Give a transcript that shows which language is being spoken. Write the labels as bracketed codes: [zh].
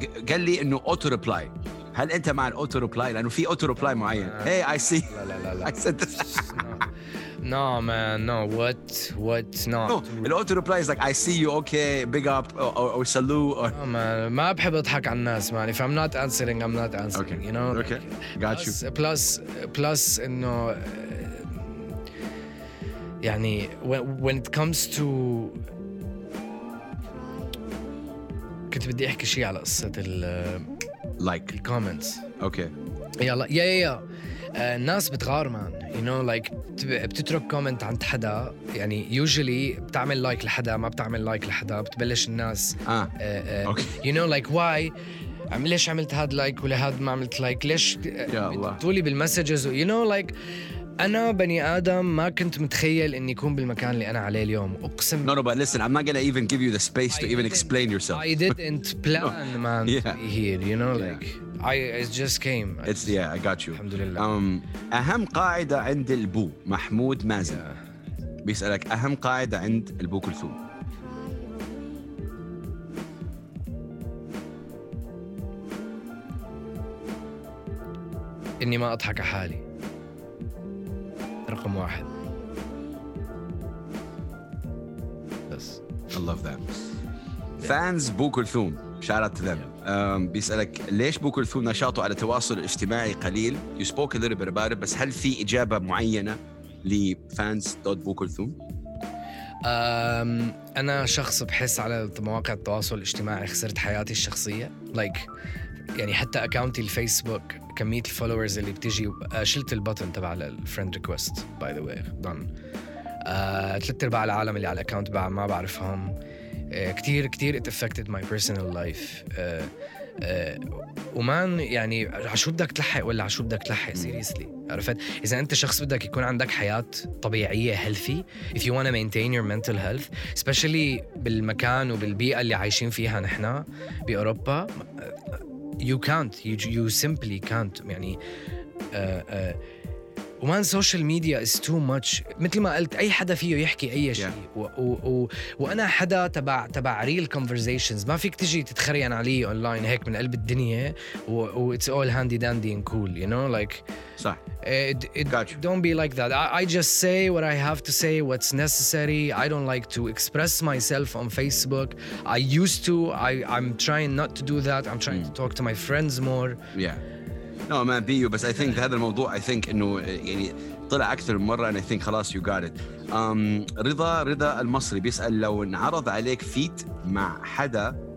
[ar] قال لي إنه auto reply. هل أنت مع auto reply؟ لأنه في auto reply معين. [en] Hey I see. لا. I said this. No man, no. What? Not. No. The auto reply is like, I see you, okay, big up, or salute. Or... No man, [ar] ما بحب أضحك على الناس man. [en] If I'm not answering, I'm not answering. Okay. You know. Okay. Got you. [ar] Plus, يعني [en] when it comes to [ar] كنت بدي أحكي شيء على قصة ال [en] like the comments. Okay. Yeah. [ar] الناس بتغار مان you know like بتترك كومنت عند حدا يعني usually بتعمل لايك لحدا ما بتعمل لايك لحدا بتبلش الناس [en] you know like why [ar] ليش عملت هاد لايك ولا هاد ما عملت لايك ليش بتطولي بالمسجز you know like أنا بني آدم ما كنت متخيل إني يكون بالمكان اللي أنا عليه اليوم أقسم [en] no but listen I'm not gonna even give you the space to even explain yourself I didn't plan man here you know like it just came. Yeah, I got you. [ar] Alhamdulillah. أهم قاعدة عند البو محمود مازن بيسألك أهم قاعدة عند البو كلثوم. إني ما أضحك على حالي. رقم واحد. بس [en] I love that. Fans بو كلثوم, shout out to them. [ar] بيسألك ليش بو كلثوم نشاطه على التواصل الاجتماعي قليل. [en] You spoke a little bit about it, [ar] بس هل في إجابة معينة لفانز دوت بو كلثوم؟ أنا شخص بحس على مواقع التواصل الاجتماعي خسرت حياتي الشخصية, like يعني حتى أكاونتي الفيسبوك كمية الفولورز اللي بتجي, شلت البطن تبع الفريند ريكوست باي ذا واي دون. ثلاث أرباع العالم اللي على الأكاونت بعد ما بعرفهم. كتير كتير [en] it affected my personal life. [ar] ومان يعني عشو بدك تلحق ولا عشو بدك تلحق seriously, عرفت؟ إذا أنت شخص بدك يكون عندك حياة طبيعية healthy, [en] if you wanna maintain your mental health [ar] especially بالمكان وبالبيئة اللي عايشين فيها نحنا بأوروبا, [en] you can't, you simply can't. يعني ومان social media is too much. [ar] مثل ما قلت أي حدا فيه يحكي أي شيء. وأنا حدا تبع real conversations, ما فيك تجي تتخريان علي online هيك من قلب الدنيا و [en] it's all handy dandy and cool, you know, like [ar] صح. [en] Gotcha. Don't be like that. I just say what I have to say, what's necessary. I don't like to express myself on Facebook. I used to. I'm trying not to do that. I'm trying to talk to my friends more. Yeah. No, man, be you. But I think [ar] هذا الموضوع, [en] I think [ar] إنه يعني طلع أكثر مرة, [en] and I think خلاص you got it. [ar] رضا المصري بيسأل لو نعرض عليك فيت مع حدا.